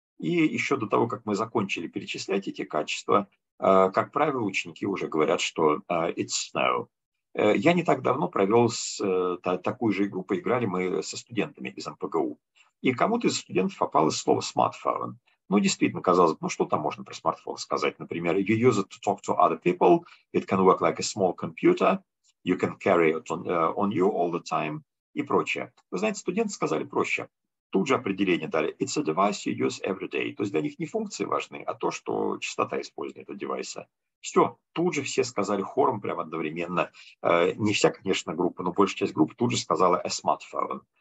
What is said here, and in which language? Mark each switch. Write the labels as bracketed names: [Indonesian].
[Russian] И еще до того, как мы закончили перечислять эти качества, как правило, ученики уже говорят, что [English] «It's snow». [Russian] Я не так давно провел такую же игру, поиграли мы со студентами из МПГУ. И кому-то из студентов попалось слово «смартфон». Ну, действительно, казалось бы, ну что там можно про смартфон сказать? Например, [English] you use it to talk to other people, it can work like a small computer, you can carry it on you all the time [Russian] и прочее. Вы знаете, студенты сказали проще. Тут же определение дали. [English] It's a device you use every day. [Russian] То есть для них не функции важны, а то, что частота использования этого девайса. Все, тут же все сказали хором прямо одновременно. Не вся, конечно, группа, но большая часть группы тут же сказала [English] a smartphone.